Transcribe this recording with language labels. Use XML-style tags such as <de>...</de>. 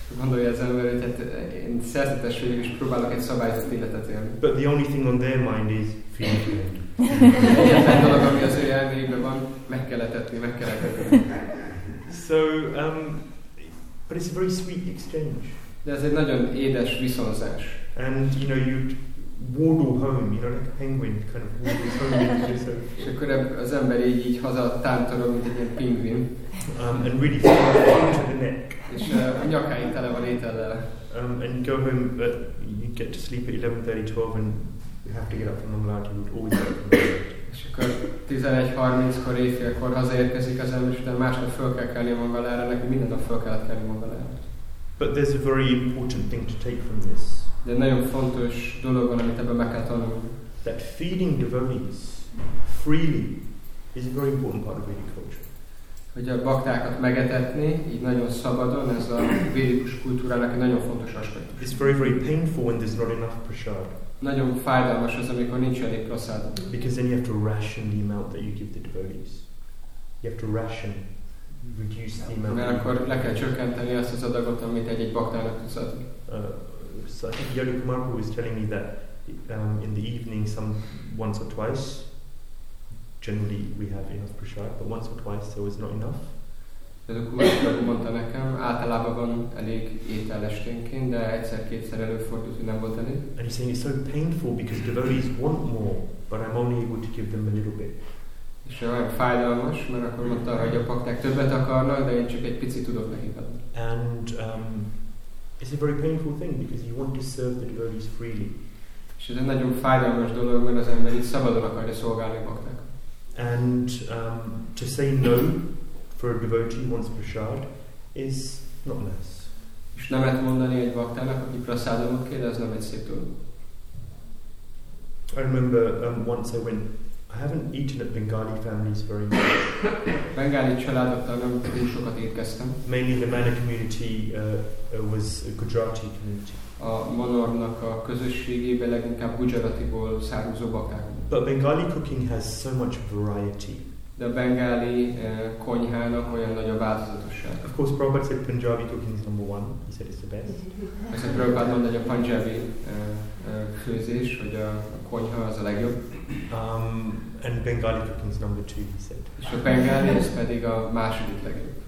<hu>Gondolja az ember, hogy hát én szerzetes vagyok, és próbálok egy szabályzott életet élni.</hu> <en>But the only thing on their mind is feeding.</en> <hu>Egyetlen dolog, ami az ő elmében van, meg kell etetni, meg kell etetni.</hu> <en>So, but it's a very sweet exchange.</en> <hu>De ez egy nagyon édes viszonzás.</hu> <en>And, you know, you'd waddle home, you know, like a penguin kind of waddles home.</en> <hu>És akkor az ember így haza tántorog, mint egy ilyen pingvin.</hu> <en>And really fall down to the neck.</en> <hu>És a nyakáin tele van étellel.</hu> <en>And go home, but you get to sleep at 11:30, 12, and you have to get up from the mlad, you would always get up from the mlad.</en> <hu>És akkor 11:30-kor, éjfélkor hazaérkezik az ember, és utána másnap föl kell kelni magára, neki minden nap föl kellett kelni magára.</hu> <en>But there's a very important thing to take from this.</en> <hu>De nagyon fontos dolog van, amit ebben meg kell tanulni.</hu> <en>That feeding devotees freely is a very important part of Vedic culture.</en> <hu>Hogy a baktákat megetetni, így nagyon szabadon, ez a védikus kultúrának egy nagyon fontos aspektus.</hu> <en>It's very, very painful when there's not enough prasad.</en> <hu>Nagyon fájdalmas az, amikor nincs elég prasad.</hu> <en>Because then you have to ration the amount that you give the devotees. You have to ration, reduce the amount.</en> <hu>Mert akkor le kell csökkenteni azt az adagot, amit egy-egy baktának tudsz adni.</hu> <en>So I think Yadu Kumarku was telling me that in the evening, some once or twice, generally we have enough prasad, but once or twice there was not enough.</en> <hu>Yadu Kumarku mondta nekem, általában van elég étel esténként, de egyszer-kétszer előfordult, hogy nem volt elég.</hu> <en>And he's saying it's so painful because devotees want more, but I'm only able to give them a little bit.</en> <hu>És olyan fájdalmas, mert akkor mondta, hogy a pakták többet akarnak, de én csak egy picit tudok nekik adni.</hu> <en>And it's a very painful thing because you want to serve the devotees freely.</en> <hu>És ez egy nagyon fájdalmas dolog, mert az ember itt szabadon akarja szolgálni baktáknak.</hu> <en>And to say no for a devotee wants prasad is not nice.</en> <hu>És nemet mondani egy baktának, aki prasadot kér, az nem egy szép dolog.</hu> <en>I remember once I went. I haven't eaten at Bengali families very much.</en> <hu>Bengali családoktól nem túl sokat étkeztem.</hu> <en>Mainly the Manor community was a Gujarati community.</en> <hu>A Manornak a közösségében leginkább Gujaratiból származó bakák.</hu> <en>But Bengali cooking has so much variety.</en> <hu>De a Bengali konyhának olyan nagy a változatosság.</hu> <en>Of course, Prabhupada said Punjabi cooking is number one. He said it's the best.</en> <hu>Aztán Prabhupada mondta, hogy a Punjabi főzés, hogy a konyha az a legjobb.</hu> <en>And Bengali cooking is number two, he said.</en> <hu>És a Bengali az pedig a második legjobb.</hu>